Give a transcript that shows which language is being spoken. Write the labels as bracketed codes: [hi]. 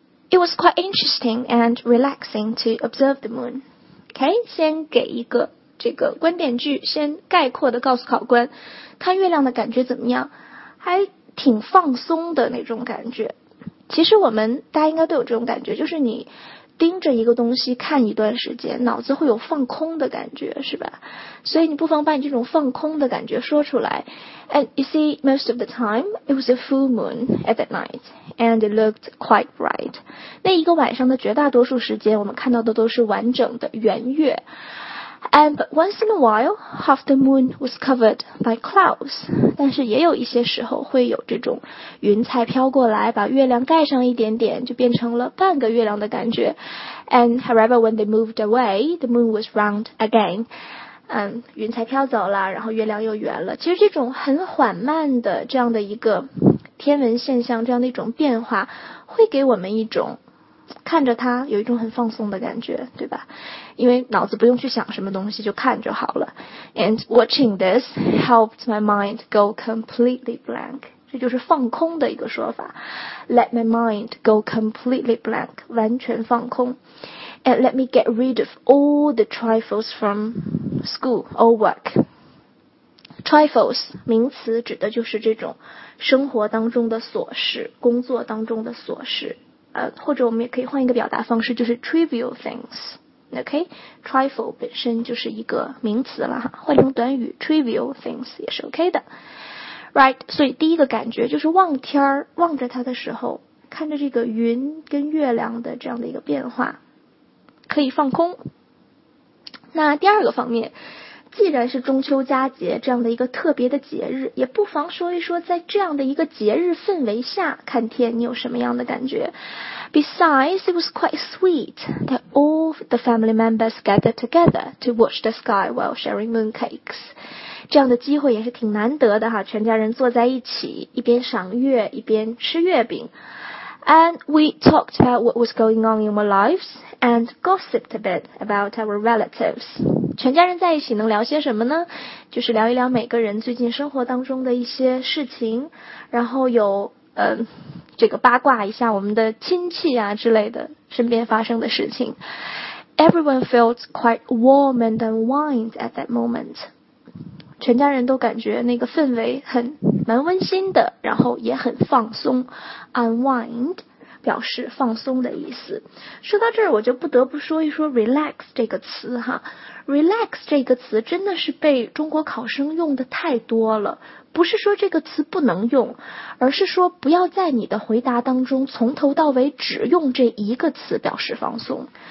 [en] It was quite interesting and relaxing to observe the moon. Okay， [zh] 先给一个这个观点句先概括的告诉考官，看月亮的感觉怎么样？还挺放松的那种感觉。其实我们大家应该都有这种感觉，就是你盯着一个东西看一段时间，脑子会有放空的感觉，是吧？所以你不妨把你这种放空的感觉说出来。 [en] And you see, most of the time, it was a full moon at that night, and it looked quite bright. [zh] 那一个晚上的绝大多数时间，我们看到的都是完整的圆月。 [en] And but once in a while, half the moon was covered by clouds. [zh] 但是也有一些时候会有这种云彩飘过来，把月亮盖上一点点，就变成了半个月亮的感觉。 [en] And however, when they moved away, the moon was round again. [zh] 云彩飘走了，然后月亮又圆了。其实这种很缓慢的这样的一个天文现象，这样的一种变化，会给我们一种看着它有一种很放松的感觉，对吧？因为脑子不用去想什么东西，就看就好了。 [en] And watching this helped my mind go completely blank. [zh] 这就是放空的一个说法。 [en] Let my mind go completely blank, [zh] 完全放空。 [en] And let me get rid of all the trifles from school or work. [zh] Trifles, 名词指的就是这种生活当中的琐事，工作当中的琐事。或者我们也可以换一个表达方式，就是 [en] trivial things, OK? [zh] Trifle 本身就是一个名词了，换成短语 trivial things 也是 OK 的。 Right, 所以第一个感觉就是望天儿，望着它的时候，看着这个云跟月亮的这样的一个变化，可以放空。那第二个方面，既然是中秋佳节这样的一个特别的节日，也不妨说一说在这样的一个节日氛围下看天你有什么样的感觉。 [en] Besides, it was quite sweet that all the family members gathered together to watch the sky while sharing mooncakes. [zh] 这样的机会也是挺难得的哈，全家人坐在一起一边赏月一边吃月饼。 [en] And we talked about what was going on in our lives and gossiped a bit about our relatives. [zh] 全家人在一起能聊些什么呢？就是聊一聊每个人最近生活当中的一些事情，然后有这个八卦一下我们的亲戚啊之类的身边发生的事情。 [en] Everyone felt quite warm and unwind at that moment. [zh] 全家人都感觉那个氛围很蛮温馨的，然后也很放松。 Unwind表示放松的意思。说到这儿，我就不得不说一说 relax 这个词哈。 relax 这个词真的是被中国考生用的太多了，不是说这个词不能用，而是说不要在你的回答当中从头到尾只用这一个词表示放松。